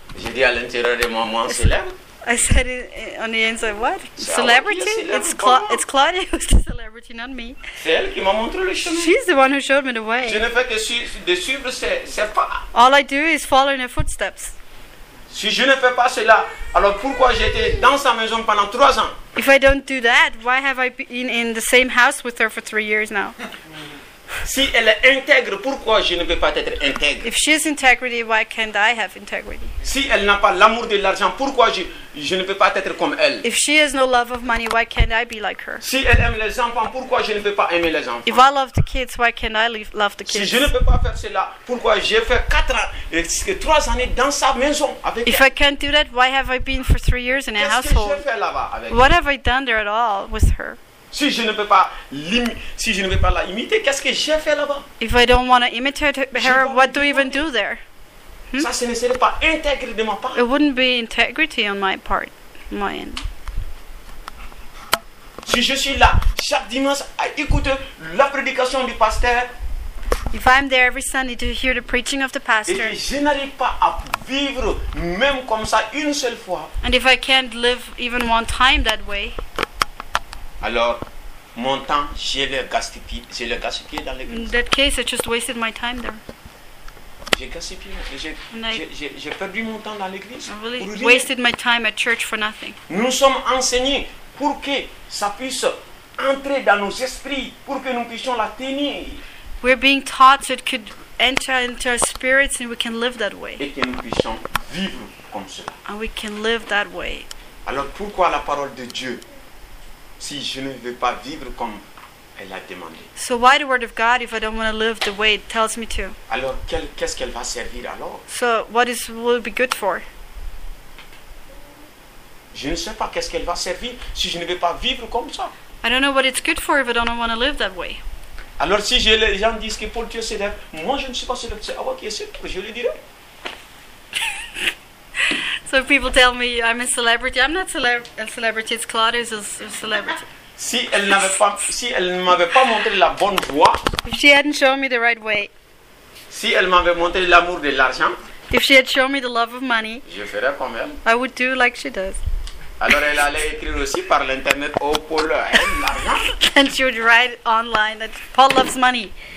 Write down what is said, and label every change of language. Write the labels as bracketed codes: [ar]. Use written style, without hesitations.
[fr] J'ai dit à l'intérieur de moi, moi, célèbre. [en] I said on the inside, what? Celebrity? It's Claudia who's the celebrity. liberty, not me. [fr] C'est elle qui m'a montré le chemin. [en] She's the one who showed me the way. [fr] Je ne fais que suivre ses pas. [en] All I do is follow in her footsteps. [fr] Si je ne fais pas cela, alors pourquoi j'étais dans sa maison pendant 3 ans? [en] If I don't do that, why have I been in the same house with her for 3 years now? [fr] Si elle est intègre, pourquoi je ne peux pas être intègre? [en] If she has integrity, why can't I have integrity? [fr] Si elle n'a pas l'amour de l'argent, pourquoi je ne peux pas être comme elle? [en] If she has no love of money, why can't I be like her? [fr] Si elle aime les enfants, pourquoi je ne peux pas aimer les enfants? [en] If I love the kids, why can't I love the kids? [fr] Si je ne peux pas faire cela, pourquoi j'ai fait 3 années dans sa maison avec [en] If [fr] elle? [en] I can't do that, why have I been for 3 years in a household? [fr] Qu'est-ce que j'ai fait là-bas avec [en] What [fr] elle? [en] Have I done there at all with her? [fr] Si je ne peux pas la imiter, qu'est-ce que j'ai fait là-bas? [en] If I don't want to imitate her, what do I even do there? Hmm? [fr] Ça, ce ne serait pas intégrité de ma part. [en] It wouldn't be integrity on my part, my end. [fr] Si je suis là chaque dimanche à écouter la prédication du pasteur. [en] If I'm there every Sunday to hear the preaching of the pastor. [fr] Et je n'arrive pas à vivre même comme ça une seule fois. [en] And if I can't live even one time that way. [fr] Alors, mon temps, je l'ai gaspillé dans l'église. [en] In that case, I just wasted my time there. [fr] J'ai perdu mon temps dans l'église. [en] I really wasted my time at church for nothing. [fr] Nous sommes enseignés pour que ça puisse entrer dans nos esprits, pour que nous puissions la tenir. [en] We're being taught so it could enter into our spirits and we can live that way. [fr] Et que nous puissions vivre comme cela. [en] And we can live that way. [fr] Alors, pourquoi la parole de Dieu? Si je ne veux pas vivre comme elle a demandé. [en] So why the word of God if I don't want to live the way it tells me to? [fr] Alors qu'est-ce qu'elle va servir alors? [en] So what is will it be good for? [fr] Je ne sais pas qu'est-ce qu'elle va servir si je ne veux pas vivre comme ça. [en] I don't know what it's good for if I don't want to live that way. [fr] Alors si les gens disent que Paul tu es célèbre, moi je ne suis pas célèbre. Ah ok, c'est pour je le dirai. [en] So people tell me I'm a celebrity. I'm not a celebrity. It's Claudia's a celebrity. [fr] Si elle m'avait pas montré la bonne voie. [en] If she hadn't shown me the right way. [fr] Si elle m'avait montré l'amour de l'argent. [en] If she had shown me the love of money. [fr] Je ferais comme elle. [en] I would do like she does. [fr] Alors elle allait écrire aussi par l'internet au Paul aime l'argent. [en] And she would write online that Paul loves money.